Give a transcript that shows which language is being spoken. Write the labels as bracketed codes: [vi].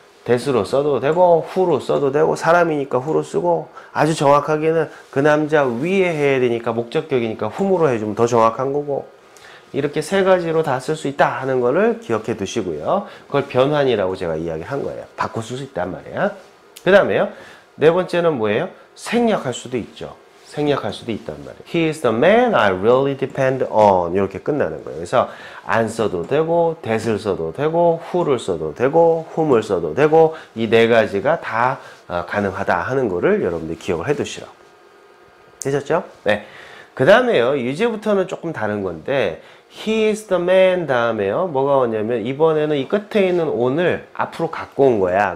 [ko] 대수로 써도 되고 후로 써도 되고, 사람이니까 후로 쓰고, 아주 정확하게는 그 남자 위에 해야 되니까 목적격이니까 훔으로 해주면 더 정확한 거고, 이렇게 세 가지로 다 쓸 수 있다 하는 거를 기억해 두시고요. 그걸 변환이라고 제가 이야기한 거예요. 바꿔 쓸 수 있단 말이야. 그 다음에요, 네 번째는 뭐예요? 생략할 수도 있죠. 생략할 수도 있단 말이에요. [en] He is the man I really depend on. [ko] 이렇게 끝나는 거예요. 그래서 안 써도 되고, that을 써도 되고, who를 써도 되고, whom을 써도 되고, 이 네 가지가 다 가능하다 하는 거를 여러분들이 기억을 해두시라. 되셨죠? 네. 그 다음에요, 이제부터는 조금 다른 건데, [en] He is the man [ko] 다음에요, 뭐가 오냐면 이번에는 이 끝에 있는 on을 앞으로 갖고 온 거야.